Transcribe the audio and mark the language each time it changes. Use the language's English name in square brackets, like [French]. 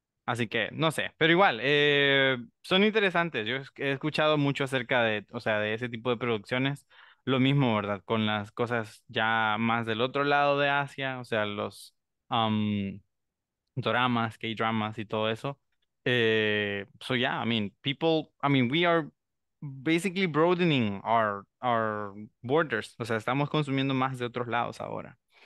[Spanish] Así que no sé, pero igual, son interesantes. Yo he escuchado mucho acerca de, o sea, de ese tipo de producciones. Lo mismo, ¿verdad? Con las cosas ya más del otro lado de Asia, o sea, los dramas, K-dramas y todo eso. [English] So yeah, we are basically broadening our borders. [Spanish] O sea, estamos consumiendo más de otros lados ahora.